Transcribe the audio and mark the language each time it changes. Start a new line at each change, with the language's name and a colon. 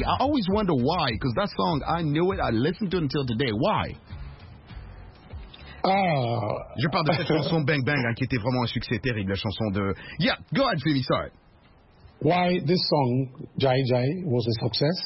English: I always wonder why, because that song, I knew it, I listened to it until today. Why?
French: Je parle de cette chanson Bang Bang, qui était vraiment un succès terrible, la chanson de...
English: Yeah, go ahead, Femi, sorry. Why this song, Jai Jai, was a success?